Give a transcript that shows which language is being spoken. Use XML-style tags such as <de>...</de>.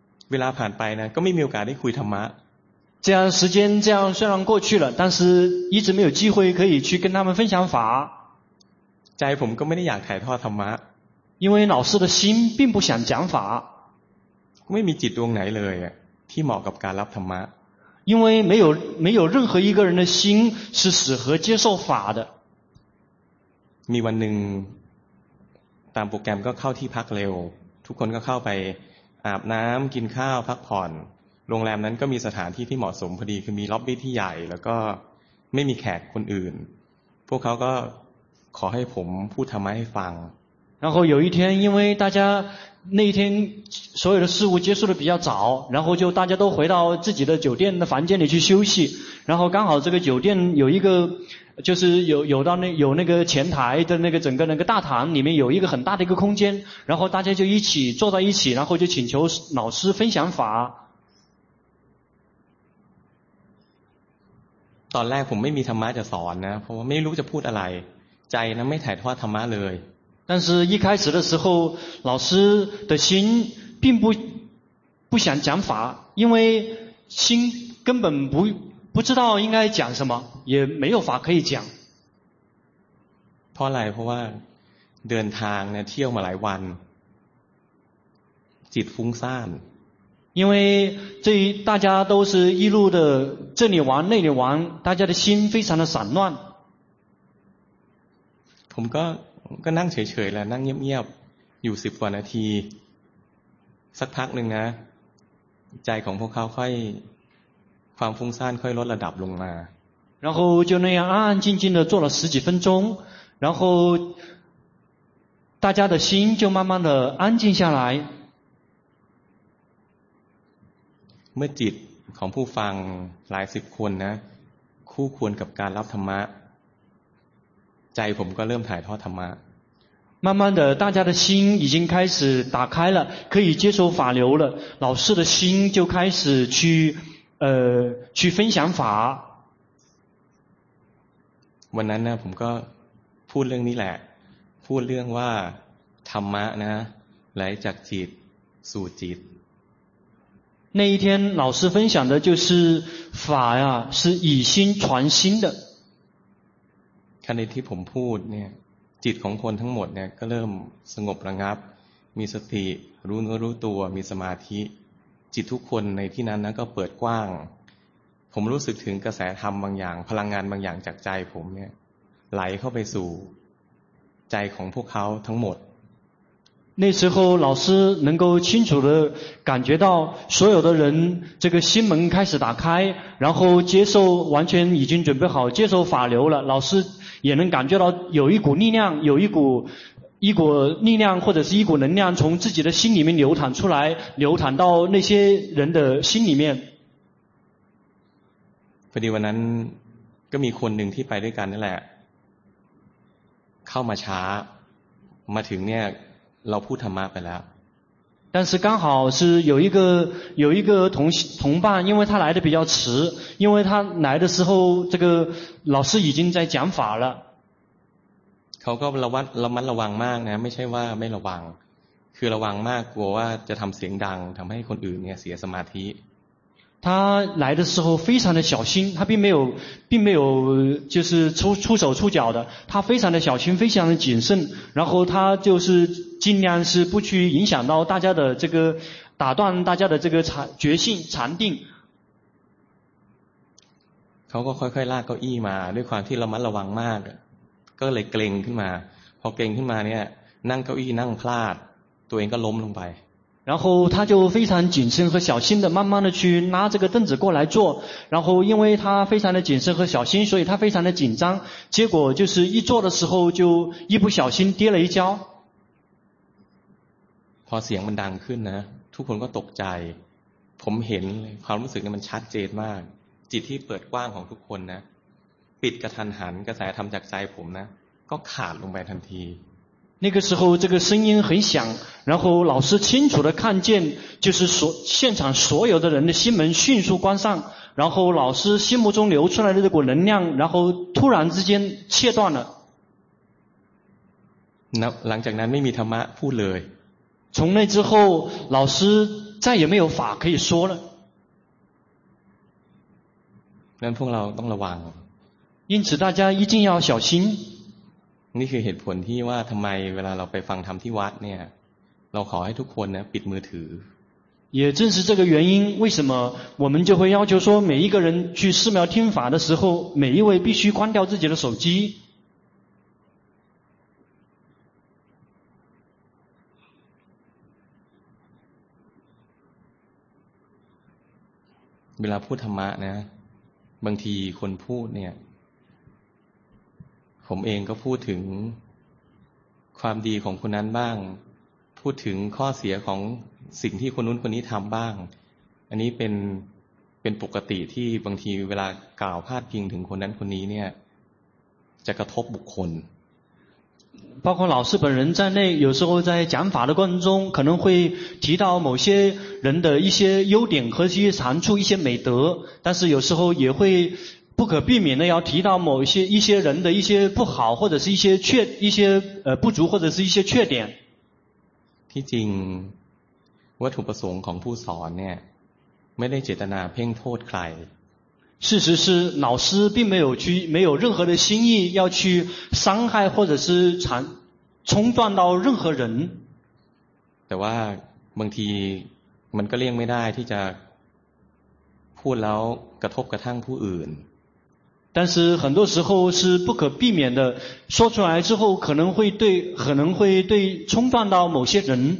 <th>เวลาผ่านไปนะก็ไม่มีโอกาสได้คุยธรรมะ</th> <zh>这样时间这样虽然过去了但是一直没有机会可以去跟他们分享法</zh> <th>ใจผมก็ไม่ได้อยากถ่ายทอดธรรมะ</th> <zh>因为老师的心并不想讲法</zh> <th>ไม่มีจิตดวงไหนเลยที่เหมาะกับการรับธรรมะ</th> <zh>因为没有任何一个人的心是适合接受法的</zh> <th>มีวันหนึ่งตามโปรแกรมก็เข้าที่พักเร็วทุกคนก็เข้าไปอาบน้ำกินข้าวพักผ่อนโรงแรมนั้นก็มีสถานที่ที่เหมาะสมพอดีคือมีล็อบบี้ที่ใหญ่แล้วก็ไม่มีแขกคนอื่นพวกเขาก็ขอให้ผมพูดธรรมะให้ฟัง</th> <zh>然后有一天因为大家那一天所有的事物结束的比较早然后就大家都回到自己的酒店的房间里去休息然后刚好这个酒店有一个就是有那个前台的那个整个那个大堂里面有一个很大的一个空间然后大家就一起坐在一起然后就请求老师分享法</zh> <th>ตอนแรกผมไม่มีธรรมะจะสอนนะเพราะว่าไม่รู้จะพูดอะไรใจนะไม่ถ่ายทอดธรรมะเลย</th> <zh>但是一开始的时候老师的心并不想讲法因为心根本不知道应该讲什么也没有法可以讲</zh> <th>เพราะอะไรเพราะว่าเดินทางเนี่ยเที่ยวมาหลายวันจิตฟุ้งซ่าน</th> <zh>因为这大家都是一路的这里玩那里玩大家的心非常的散乱</zh> <th>ผมก็นั่งเฉยๆแล้วนั่งเงียบๆอยู่10กว่านาทีสักพักนึงนะใจของพวกเขาค่อยความฟุ้งซ่านค่อยลดระดับลงมา</th> <zh>然后就那样安安静静的坐了十几分钟，然后大家的心就慢慢的安静下来。</zh> <th>เมื่อจิตของผู้ฟังหลายสิบคนนะคู่ควรกับการรับธรรมะใจผมก็เริ่มถ่ายทอดธรรมะ</th> <zh>慢慢的大家的心已经开始打开了，可以接受法流了，老师的心就开始去分享法。</zh> <th>วันนั้นนะผมก็พูดเรื่องนี้แหละพูดเรื่องว่าธรรมะนะไหลจากจิตสู่จิต</th> <zh>那一天老师分享的就是法呀是以心传心的</zh> <th>ขณะที่ผมพูดเนี่ยจิตของคนทั้งหมดเนี่ยก็เริ่มสงบระงับมีสติรู้เนื้อรู้ตัวมีสมาธิจิตทุกคนในที่นั้นนะก็เปิดกว้างผมรู้สึกถึงกระแสธรรมบางอย่างพลังงานบางอย่างจากใจผมเนี่ยไหลเข้าไปสู่ใจของพวกเขาทั้งหมด</th> <zh>那时候老师能够清楚地感觉到所有的人这个心门开始打开，然后接受完全已经准备好接受法流了，老师也能感觉到有一股力量，有一股力量或者是一股能量从自己的心里面流淌出来，流淌到那些人的心里面。</zh> <th>พอดีวันนั้นก็มีคนหนึ่งที่ไปด้วยกันนั่นแหละเข้ามาช้ามาถึงเนี่ยเราพูดธรรมะไปแล้ว</th> <zh>但是刚好是有一个同伴因为他来的比较迟因为他来的时候这个老师已经在讲法了</zh> <th>เขาก็ระมัดระวังมากนะไม่ใช่ว่าไม่ระวังคือระวังมากกลัวว่าจะทำเสียงดังทำให้คนอื่นเนี่ยเสียสมาธิ</th> <zh>他来的时候非常的小心他并没有就是出手出脚的他非常的小心非常的谨慎然后他就是尽量是不去影响到大家的这个打断大家的这个觉性禅定</zh> <th>เขาก็ค่อยๆลากเก้าอี้มาด้วยความที่ระมัดระวังมากก็เลยเกรงขึ้นมาพอเกรงขึ้นมาเนี่ยนั่งเก้าอี้นั่งพลาดตัวเองก็ล้มลงไป</th> <zh>然后他就非常谨慎和小心的慢慢的去拉这个凳子过来坐然后因为他非常的谨慎和小心所以他非常的紧张结果就是一坐的时候就一不小心跌了一跤</zh> <th>พอเสียงมันดังขึ้นนะทุกคนก็ตกใจผมเห็นความรู้สึกมันชัดเจนมากจิตที่เปิดกว้างของทุกคนนะปิดกระทันหันกระแสธรรมจากใจผมนะก็ขาดลงไปทันที</th> <zh>那个时候这个声音很响然后老师清楚地看见就是现场所有的人的心门迅速关上然后老师心目中流出来的这股能量然后突然之间切断了</zh> <th>หลังจากนั้นไม่มีธรรมะพูดเลย</th> <zh>从那之后老师再也没有法可以说了</zh> <th>นั้นพวกเราต้องระวัง</th> <zh>因此大家一定要小心</zh> <th>นี่คือเหตุผลที่ว่าทำไมเวลาเราไปฟังธรรมที่วัดเนี่ยเราขอให้ทุกคนนะปิดมือถือ</th> <zh>也正是这个原因为什么我们就会要求说每一个人去寺庙听法的时候每一位必须关掉自己的手机</zh> <th>เวลาพูดธรรมะนะบางทีคนพูดเนี่ยผมเองก็พูดถึงความดีของคนนั้นบ้างพูดถึงข้อเสียของสิ่งที่คนนู้นคนนี้ทำบ้างอันนี้เป็นปกติที่บางทีเวลากล่าวพาดพิงถึงคนนั้นคนนี้เนี่ยจะกระทบบุคคล</th> <zh>包括老师本人在内有时候在讲法的过程中可能会提到某些人的一些优点和一些长处一些美德但是有时候也会不可避免的要提到某一些人的一些不好或者是一些不足或者是一些缺点</zh> <th>ที่จริงวัตถุประสงค์ของผู้สอนเนี่ยไม่ได้เจตนาเพ่งโทษใคร</th> <zh>事实是老师并没有任何的心意要去伤害或者是冲撞到任何人</zh> <th>แต่ว่าบางทีมันก็เลี่ยงไม่ได้ที่จะพูดแล้วกระทบกระทั่งผู้อื่น</th> <zh>但是很多时候是不可避免的说出来之后可能会对冲撞到某些人</zh>